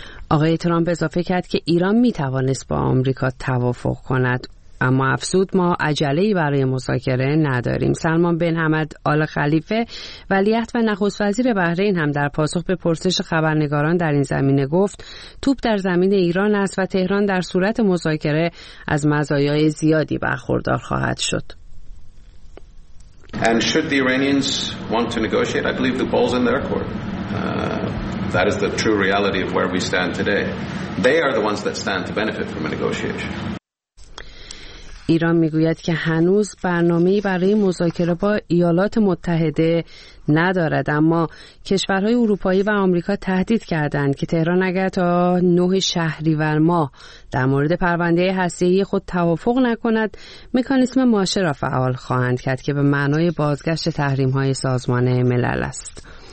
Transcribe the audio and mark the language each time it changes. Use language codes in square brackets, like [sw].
[fa] آقای ترامپ اضافه کرد که ایران می‌توانست با آمریکا توافق کند، اما افسود ما عجله‌ای برای مذاکره نداریم. سلمان بن حمد آل خلیفه ولیعهد و نخست وزیر بحرین هم در پاسخ به پرسش خبرنگاران در این زمینه گفت توپ در زمین ایران است و تهران در صورت مذاکره از مزایای زیادی برخوردار خواهد شد. [en] And should the Iranians want to negotiate, I believe the ball's in their court. That is the true reality of where we stand today. They are the ones that stand to benefit from a negotiation. [fa] ایران میگوید که هنوز برنامه‌ای برای مذاکره با ایالات متحده ندارد، اما کشورهای اروپایی و آمریکا تهدید کردند که تهران اگر تا 9 شهریور ماه در مورد پرونده هسته‌ای خود توافق نکند، مکانیسم ماشه را فعال خواهند کرد که به معنای بازگشت تحریم‌های سازمان ملل است.